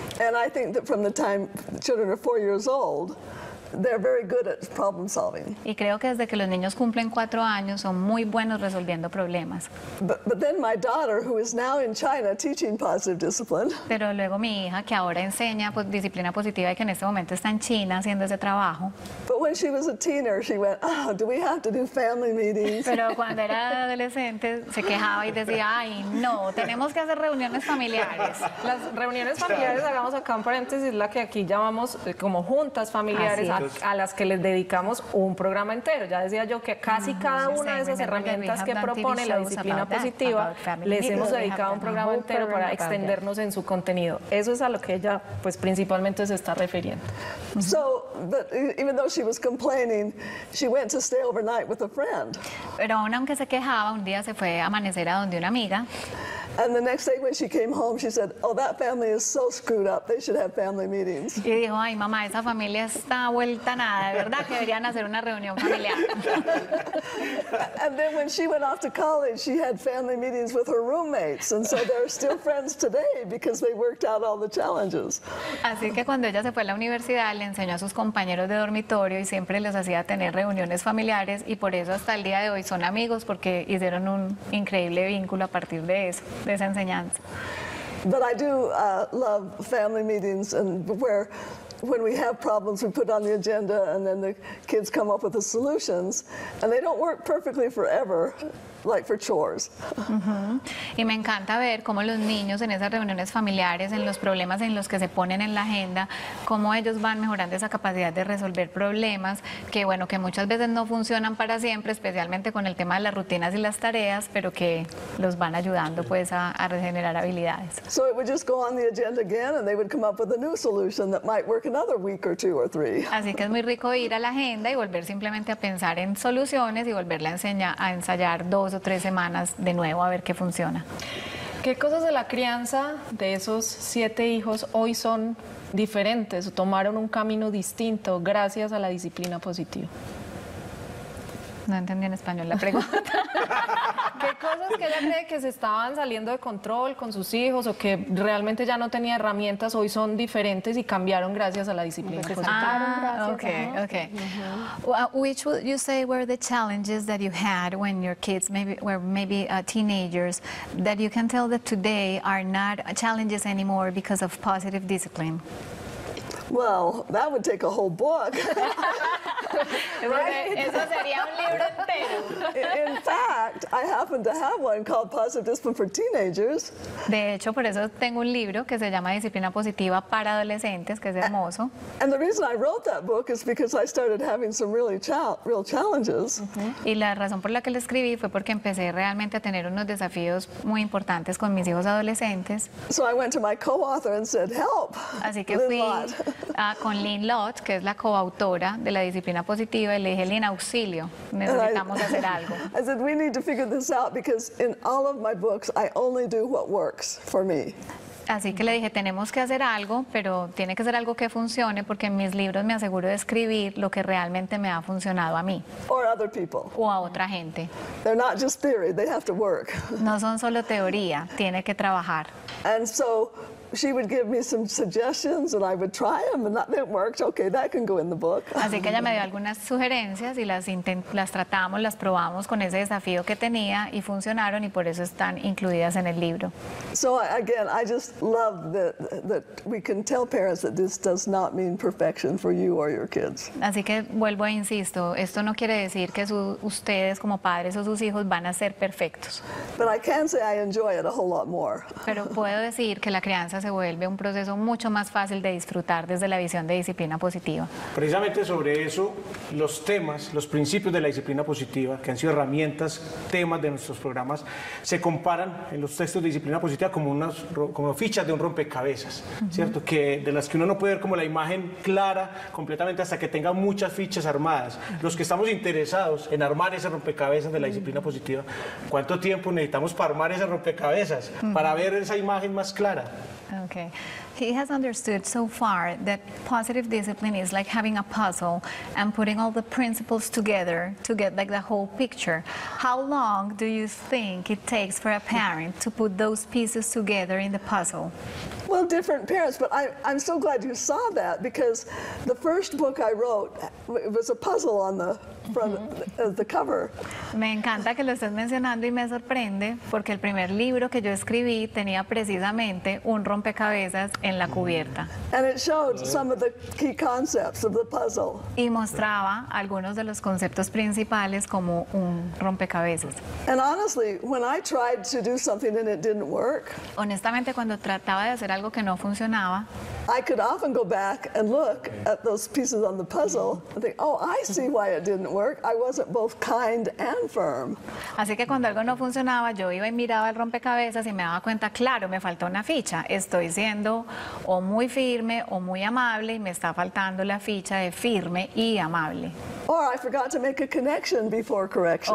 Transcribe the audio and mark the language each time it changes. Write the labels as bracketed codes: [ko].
[en] And I think that from the time children are 4 years old, they're very good at problem solving. [es] Y creo que desde que los niños cumplen 4 años son muy buenos resolviendo problemas. [en] But then my daughter, who is now in China teaching positive discipline. [es] Pero luego mi hija, que ahora enseña pues disciplina positiva y que en este momento está en China haciendo ese trabajo. [en] But when she was a teenager, she went, "Oh, do we have to do family meetings?" [es] Pero cuando era adolescente se quejaba y decía, "Ay, no, tenemos que hacer reuniones familiares." Las reuniones familiares, hagamos acá un paréntesis, la que aquí llamamos como juntas familiares. A las que les dedicamos un programa entero. Ya decía yo que casi cada una de esas herramientas que propone la disciplina positiva les hemos dedicado un programa entero para extendernos en su contenido. Eso es a lo que ella pues principalmente se está refiriendo. [en] So, but even though she was complaining, she went to stay overnight with a friend. [es] Pero aún aunque se quejaba, un día se fue a amanecer a donde una amiga. [en] And the next day when she came home, she said, "Oh, that family is so screwed up. They should have family meetings." [es] Y dijo, "Ay, mamá, esa familia está vuelta nada, de verdad que deberían hacer una reunión familiar." [en] And then when she went off to college, she had family meetings with her roommates, and so they're still friends today because they worked out all the challenges. [es] Así que cuando ella se fue a la universidad, le enseñó a sus compañeros de dormitorio y siempre les hacía tener reuniones familiares, y por eso hasta el día de hoy son amigos, porque hicieron un increíble vínculo a partir de eso. De esa enseñanza. [en] But I do love family meetings and where when we have problems we put on the agenda and then the kids come up with the solutions and they don't work perfectly forever. Like for chores. [es] Y me encanta ver cómo los niños en esas reuniones familiares, en los problemas en los que se ponen en la agenda, cómo ellos van mejorando esa capacidad de resolver problemas, que bueno, que muchas veces no funcionan para siempre, especialmente con el tema de las rutinas y las tareas, pero que los van ayudando pues a regenerar habilidades. [en] So it would just go on the agenda again and they would come up with a new solution that might work another week or two or three. [es] Así que es muy rico ir a la agenda y volver simplemente a pensar en soluciones y volverla a ensayar dos o tres semanas de nuevo a ver qué funciona. ¿Qué cosas de la crianza de esos 7 hijos hoy son diferentes o tomaron un camino distinto gracias a la disciplina positiva? No entendí en español la pregunta. ¿Qué cosas que ella cree que se estaban saliendo de control con sus hijos o que realmente ya no tenía herramientas hoy son diferentes y cambiaron gracias a la disciplina positiva? [en] Well, which would you say were the challenges that you had when your kids were teenagers that you can tell that today are not challenges anymore because of positive discipline? Well, that would take a whole book. [es] Eso sería un libro entero. [en] In fact, I happen to have one called Positive Discipline for Teenagers. [es] De hecho, por eso tengo un libro que se llama Disciplina Positiva para Adolescentes, que es hermoso. [en] And the reason I wrote that book is because I started having some really real challenges. [es] Y la razón por la que lo escribí fue porque empecé realmente a tener unos desafíos muy importantes con mis hijos adolescentes. [en] So I went to my co-author and said, "Help." [es] Así que fui con Lynn Lott, que es la coautora de la disciplina positiva, y le dije, "Lynn, auxilio, necesitamos hacer algo." [en] I said, "We need to figure this out because in all of my books I only do what works for me." [es] Así que le dije, "Tenemos que hacer algo, pero tiene que ser algo que funcione porque en mis libros me aseguro de escribir lo que realmente me ha funcionado a mí." [en] Or other people. [es] O a otra gente. [en] They're not just theory, they have to work. [es] No son solo teoría, tiene que trabajar. [en] And so she would give me some suggestions and I would try them and that worked. Okay, that can go in the book. [es] Así que ella me dio algunas sugerencias y las tratamos, las probamos con ese desafío que tenía y funcionaron y por eso están incluidas en el libro. [en] So again, I just love that we can tell parents that this does not mean perfection for you or your kids. [es] Así que vuelvo e insisto, esto no quiere decir que ustedes como padres o sus hijos van a ser perfectos. [en] But I can say I enjoy it a whole lot more. [es] Pero puedo decir que la crianza cosa se vuelve un proceso mucho más fácil de disfrutar desde la visión de disciplina positiva. Precisamente sobre eso, los temas, los principios de la disciplina positiva, que han sido herramientas, temas de nuestros programas, se comparan en los textos de disciplina positiva como unas como fichas de un rompecabezas, ¿cierto? Que de las que uno no puede ver como la imagen clara completamente hasta que tenga muchas fichas armadas. Los que estamos interesados en armar ese rompecabezas de la disciplina positiva, ¿cuánto tiempo necesitamos para armar ese rompecabezas, para ver esa imagen más clara? [en] Okay. He has understood so far that positive discipline is like having a puzzle and putting all the principles together to get like the whole picture. How long do you think it takes for a parent to put those pieces together in the puzzle? Well, different parents, but I'm so glad you saw that, because the first book I wrote, it was a puzzle on the front of the cover. [es] Me encanta que lo estés mencionando y me sorprende porque el primer libro que yo escribí tenía precisamente un rompecabezas en la cubierta. [en] And it showed some of the key concepts of the puzzle. [es] Y mostraba algunos de los conceptos principales como un rompecabezas. [en] And honestly, when I tried to do something and it didn't work, [es] honestamente, cuando trataba de hacer algo que no funcionaba, [en] I could often go back and look at those pieces on the puzzle and think, oh, I see why it didn't work. I wasn't both kind and firm. [es] Así que cuando algo no funcionaba, yo iba y miraba el rompecabezas y me daba cuenta, claro, me faltó una ficha. Estoy siendo o muy firme o muy amable y me está faltando la ficha de firme y amable. [en] Or I forgot to make a connection before correction.